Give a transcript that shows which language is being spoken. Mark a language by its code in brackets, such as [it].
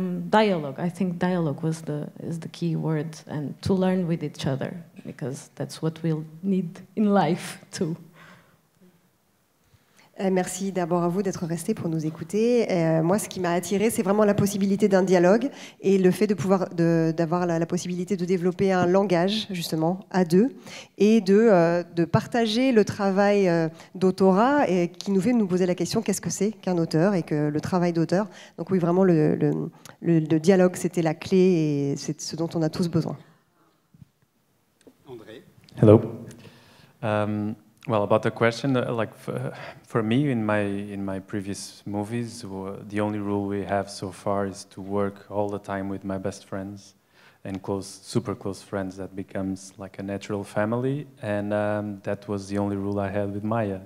[en] dialogue, I think dialogue is the key word, and to learn with each other, because that's what we'll need in life too. [fr] Merci d'abord à vous d'être resté pour nous écouter. Moi, ce qui m'a attiré, c'est vraiment la possibilité d'un dialogue et le fait de pouvoir d'avoir la possibilité de développer un langage, justement, à deux, et de partager le travail d'autorat et qui nous fait nous poser la question qu'est-ce que c'est qu'un auteur et que le travail d'auteur. Donc oui, vraiment, le dialogue, c'était la clé et c'est ce dont on a tous besoin. André. [en] Hello. Well, about the question, like for me, in my previous movies, the only rule we have so far is to work all the time with my best friends and close, super close friends. That becomes like a natural family, and that was the only rule I had with Maya.